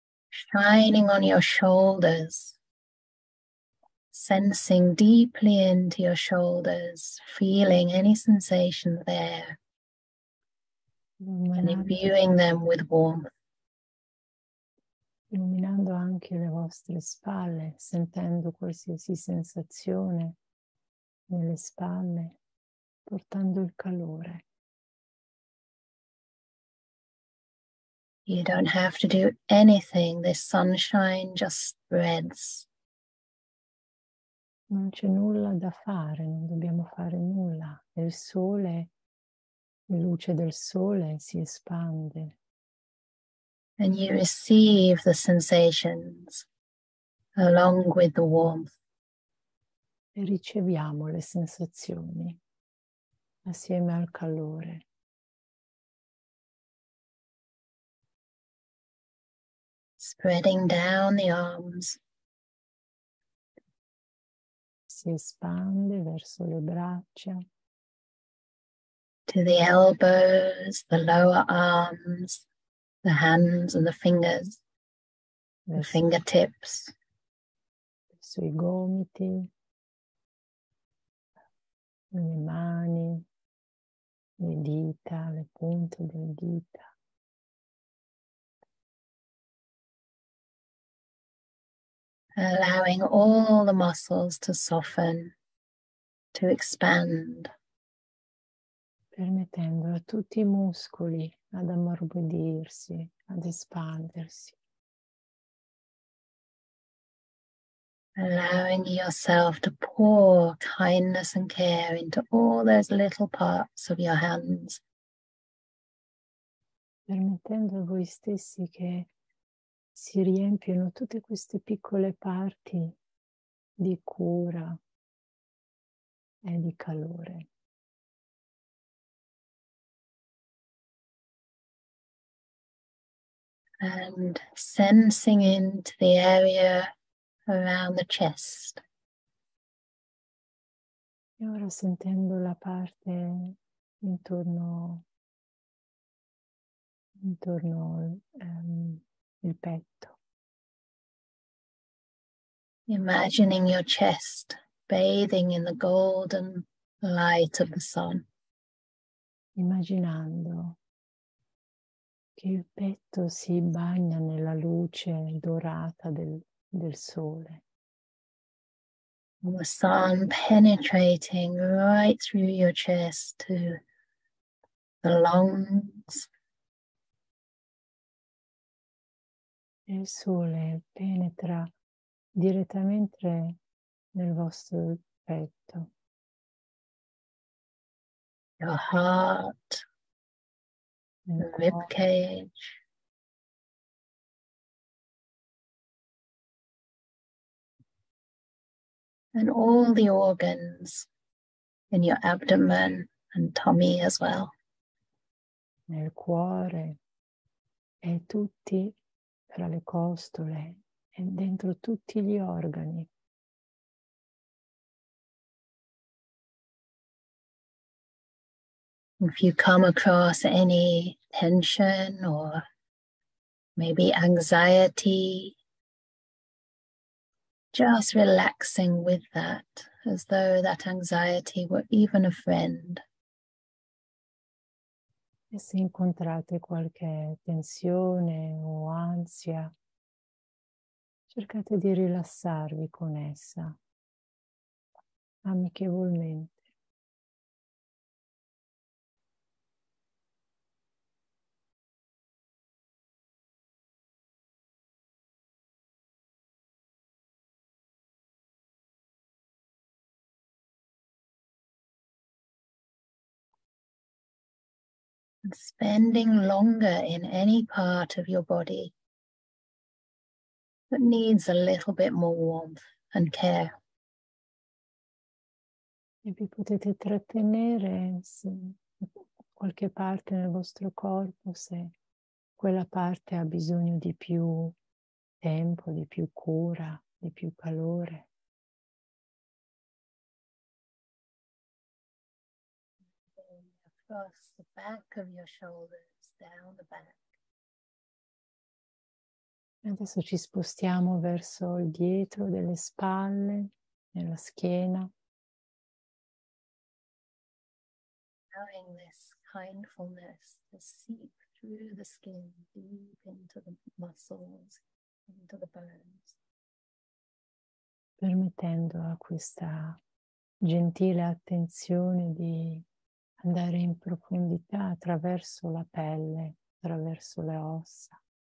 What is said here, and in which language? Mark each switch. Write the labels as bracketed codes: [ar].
[en] Shining on your shoulders. Sensing deeply into your shoulders, feeling any sensation there, and imbuing them with warmth. [it] Illuminando anche le vostre spalle, sentendo qualsiasi sensazione nelle spalle, portando il calore. [en] You don't have to do anything, the sunshine just spreads. [it] Non c'è nulla da fare, non dobbiamo fare nulla. Il sole luce del sole si espande. [en] And you receive the sensations along with the warmth. [it] E riceviamo le sensazioni assieme al calore. [en] Spreading down the arms. [it] Si espande verso le braccia. [en] To the elbows, the lower arms, the hands and the fingers, the fingertips. [it] Verso i gomiti, le mani, le dita, le punte delle dita. [en] Allowing all the muscles to soften, to expand. [it] Permettendo a tutti i muscoli ad ammorbidirsi, ad espandersi. [en] Allowing yourself to pour kindness and care into all those little parts of your hands. [it] Permettendo a voi stessi che si riempiono tutte queste piccole parti di cura e di calore. [en] And sensing into the area around the chest. [it] E ora sentendo la parte intorno il petto. [en] Imagining your chest bathing in the golden light of the sun. [it] Immaginando che il petto si bagna nella luce dorata del sole. [en] The sun penetrating right through your chest to the lungs. [it] Il sole penetra direttamente nel vostro petto. [en] Your heart. Rib cage. And all the organs in your abdomen and tummy as well. [it] Nel cuore e tutti tra le costole e dentro tutti gli organi. [en] If you come across any tension or maybe anxiety, just relaxing with that, as though that anxiety were even a friend. [it] E se incontrate qualche tensione o ansia, cercate di rilassarvi con essa, amichevolmente. [en] Spending longer in any part of your body that needs a little bit more warmth and care. [it] E vi potete trattenere se qualche parte nel vostro corpo, se quella parte ha bisogno di più tempo, di più cura, di più calore. [en] Across the back of your shoulders, down the back. [it] Adesso ci spostiamo verso il dietro delle spalle, nella schiena. [en] Allowing this kindfulness to seep through the skin, deep into the muscles, into the bones. [it] Permettendo a questa gentile attenzione di andare in profondità attraverso la pelle, attraverso le ossa.